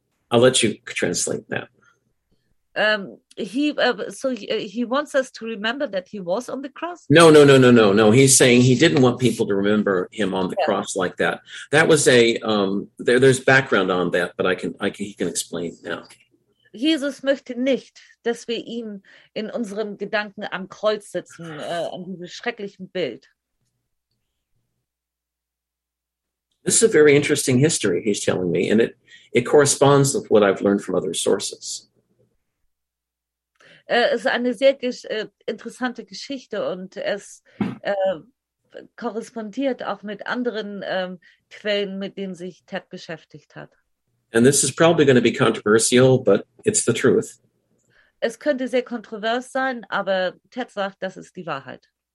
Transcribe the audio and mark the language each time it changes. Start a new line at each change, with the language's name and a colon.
English: I'll let you translate that. He wants us to remember that he was on the cross. No. He's saying he didn't want people to remember him on the cross like that. That was a there's background on that, but he can explain now.
German: Jesus möchte nicht, dass wir ihn in unserem Gedanken am Kreuz sitzen, an diesem schrecklichen Bild.
English: This is a very interesting history, he's telling me, and it corresponds with what I've learned from other sources.
German: Es ist eine sehr interessante Geschichte und es korrespondiert auch mit anderen Quellen, mit denen sich Ted beschäftigt hat.
English: And this is probably going to be controversial, but it's the truth.
German: Es könnte sehr kontrovers sein, aber Ted sagt, das ist die Wahrheit.